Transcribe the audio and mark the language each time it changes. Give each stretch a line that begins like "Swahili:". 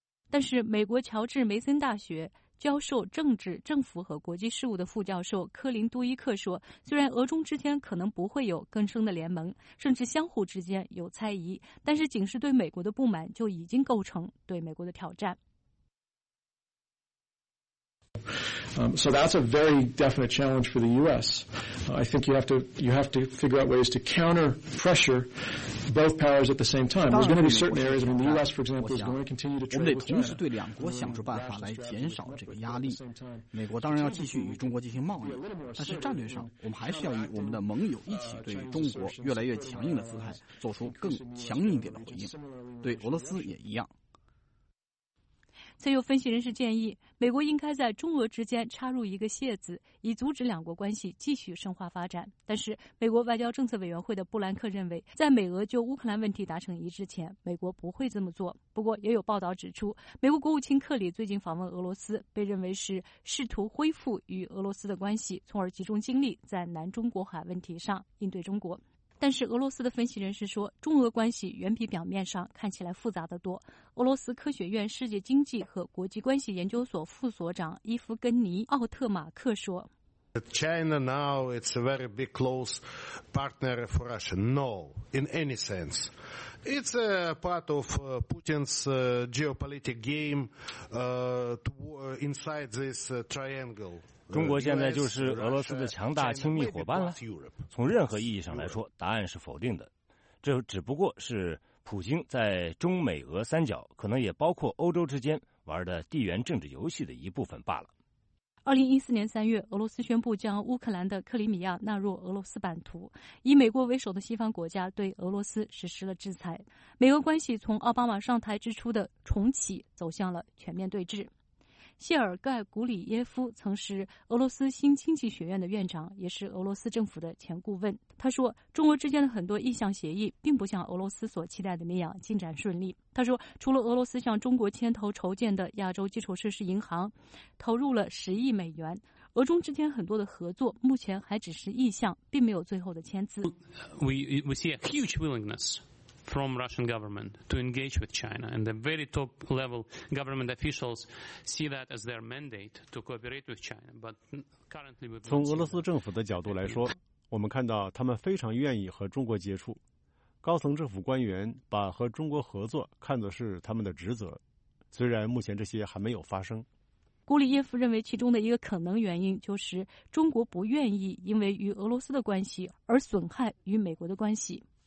Chinese: 但是，美国乔治梅森大学教授政治、政府和国际事务的副教授科林·杜伊克说，虽然俄中之间可能不会有更深的联盟，甚至相互之间有猜疑，但是仅是对美国的不满就已经构成对美国的挑战。
English: So that's a very definite challenge for the U.S. I think you have to figure out ways to counter pressure both powers at the same time. There's going to be certain areas. I mean, the U.S., for example, is going to continue to trade with China.
Chinese: 我们得同时对两国想出办法来减少这个压力。美国当然要继续与中国进行贸易，但是战略上，我们还是要与我们的盟友一起对中国越来越强硬的姿态做出更强硬一点的回应。对俄罗斯也一样。曾有分析人士建议，美国应该在中俄之间插入一个楔子，以阻止两国关系继续深化发展。但是，美国外交政策委员会的布兰克认为，在美俄就乌克兰问题达成一致前，美国不会这么做。不过，也有报道指出，美国国务卿克里最近访问俄罗斯，被认为是试图恢复与俄罗斯的关系，从而集中精力在南中国海问题上应对中国。但是俄罗斯的分析人士说，中俄关系远比表面上看起来复杂得多。俄罗斯科学院世界经济和国际关系研究所副所长伊夫根尼·奥特马克说
English: China now is a very big close partner for Russia. No, in any sense. It's a part of Putin's geopolitical game inside this triangle.
Chinese: 中国现在就是俄罗斯的强大亲密伙伴了。从任何意义上来说，答案是否定的。这只不过是普京在中美俄三角，可能也包括欧洲之间玩的地缘政治游戏的一部分罢了。 2014年3月，俄罗斯宣布将乌克兰的克里米亚纳入俄罗斯版图，以美国为首的西方国家对俄罗斯实施了制裁。美俄关系从奥巴马上台之初的重启走向了全面对峙。谢尔盖·古里耶夫曾是俄罗斯新经济学院的院长，也是俄罗斯政府的前顾问。他说，中俄之间的很多意向协议并不像俄罗斯所期待的那样进展顺利。他说，除了俄罗斯向中国牵头筹建的亚洲基础设施银行投入了10亿美元，俄中之间很多的合作目前还只是意向，并没有最后的签字。
English: We see a huge willingnessfrom Russian government to engage with China, and the very top level government officials see that as their mandate to cooperate with China. But currently,
Chinese: 从俄罗斯政府的角度来说，我们看到他们非常愿意和中国接触。高层政府官员把和中国合作看作是他们的职责，虽然目前这些还没有发生。古里耶夫认为，其中的一个可能原因就是中国不愿意因为与俄罗斯的关系而损害与美国的关系。